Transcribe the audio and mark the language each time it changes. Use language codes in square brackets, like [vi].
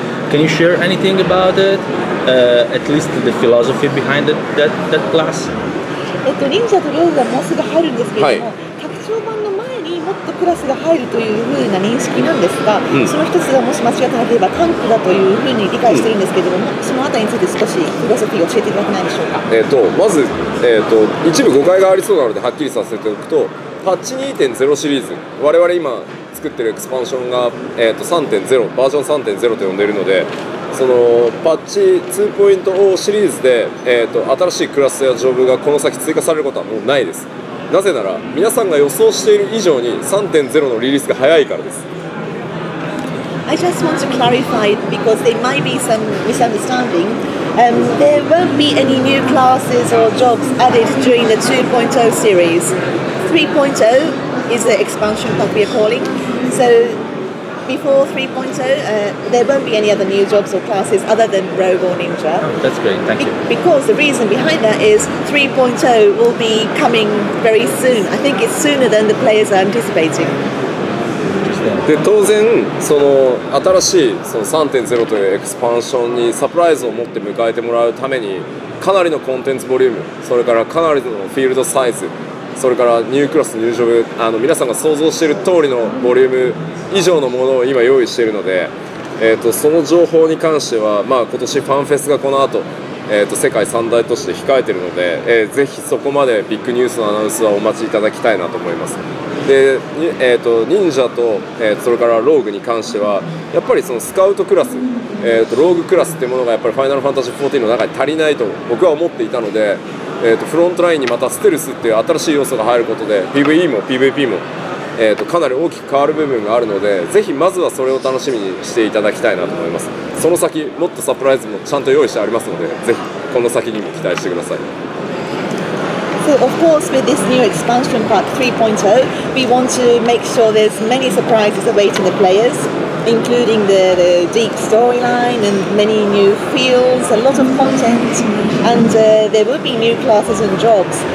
[en] Can you share anything about it, at least the philosophy behind that class? Ninja and Rogue are going to be in this game. [ja] クラスが入るというふうな認識なんですが、その一つがもし間違ってなければタンクだというふうに理解しているんですけれども、そのあたりについて少しフィロソフィー教えていただけないでしょうか。まず、一部誤解がありそうなのではっきりさせておくと、パッチ 2.0 シリーズ、我々今作っているエクスパンションが、3.0、バージョン 3.0 と呼んでいるので、そのパッチ 2.0 シリーズで、新しいクラスやジョブがこの先追加されることはもうないです。なぜなら皆さんが予想している以上に 3.0 のリリースが早いからです。 [en] I just want to clarify because there might be some misunderstanding. There won't be any new classes or jobs added during the 2.0 series. 3.0 is the expansion that we are calling. So before 3.0, there won't be any other new jobs or classes other than Rogue or Ninja. Oh, that's great, thank you. Because the reason behind that is 3.0 will be coming very soon. I think it's sooner than the players are anticipating. Interesting. [ja] で当然その新しいその 3.0 というエクスパンションにサプライズを持って迎えてもらうためにかなりのコンテンツボリューム、それからかなりのフィールドサイズ、それからニュークラス入場部、あの皆さんが想像している通りのボリューム以上のものを今用意しているので、その情報に関しては、まあ、今年ファンフェスがこの後、世界三大都市で控えているので、ぜひそこまでビッグニュースのアナウンスはお待ちいただきたいなと思います。で、忍者と、それからローグに関してはやっぱりそのスカウトクラス、ローグクラスというものがやっぱりファイナルファンタジー14の中に足りないと僕は思っていたので、フロントラインにまたステルスっていう新しい要素が入ることで PVE も PVP も、かなり大きく変わる部分があるので、ぜひまずはそれを楽しみにしていただきたいなと思います。その先もっとサプライズもちゃんと用意してありますので、ぜひこの先にも期待してください。 [en] So of course with this new expansion pack 3.0 we want to make sure there's many surprises awaiting the players, including the deep storyline and many new fields, a lot of contentAnd there will be new classes and jobs.